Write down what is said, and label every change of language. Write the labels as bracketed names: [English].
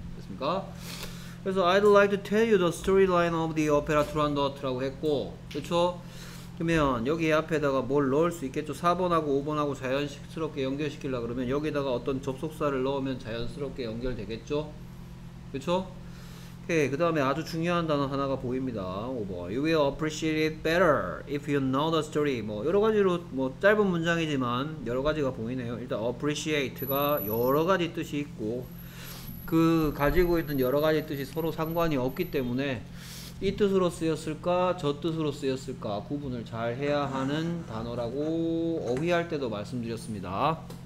[Korean] 됐습니까? 그래서 [English] I'd like to tell you the storyline of the opera Turandot [Korean] 라고 했고 그쵸? 그러면 여기 앞에다가 뭘 넣을 수 있겠죠. 4번하고 5번하고 자연스럽게 연결시키려고 그러면 여기다가 어떤 접속사를 넣으면 자연스럽게 연결되겠죠. 그쵸? 오케이. 그 다음에 아주 중요한 단어 하나가 보입니다. 5번. [English] You will appreciate it better if you know the story. [Korean] 뭐 여러가지로 뭐 짧은 문장이지만 여러가지가 보이네요. 일단 appreciate가 여러가지 뜻이 있고 그 가지고 있던 여러가지 뜻이 서로 상관이 없기 때문에 이 뜻으로 쓰였을까 저 뜻으로 쓰였을까 구분을 잘 해야 하는 단어라고 어휘할 때도 말씀드렸습니다.